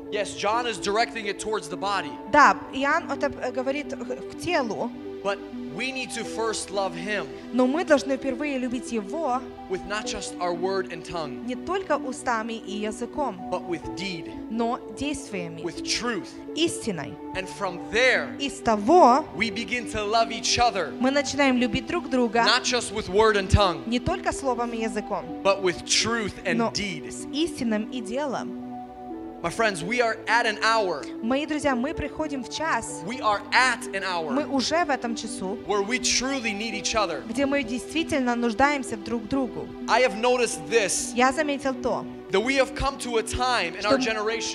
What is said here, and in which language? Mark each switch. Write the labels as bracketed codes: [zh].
[en] Yes, John is directing it towards the body. [ru] Да, Иоанн это говорит к телу. [en] But we need to first love him. [ru] Но мы должны впервые любить его. [en] With not just our word and tongue. [ru] Не только устами и языком. [en] But with deed. [ru] Но действиями. [en] With truth. [ru] Истиной. [en] And from there. [ru] Из того. [en] We begin to love each other. [ru] Мы начинаем любить друг друга. [en] Not just with word and tongue. [ru] Не только словами и языком. [en] But with truth and deed. [ru] С истинным и делом. [en] My friends, we are at an hour. [ru] Мои друзья, мы приходим в час. [en] We are at an hour. [ru] Мы уже в этом часу. [en] Where we truly need each other. [ru] Где мы действительно нуждаемся друг другу. [en] I have noticed this. [ru] Я заметил то. [en] That we have come to a time in our generation.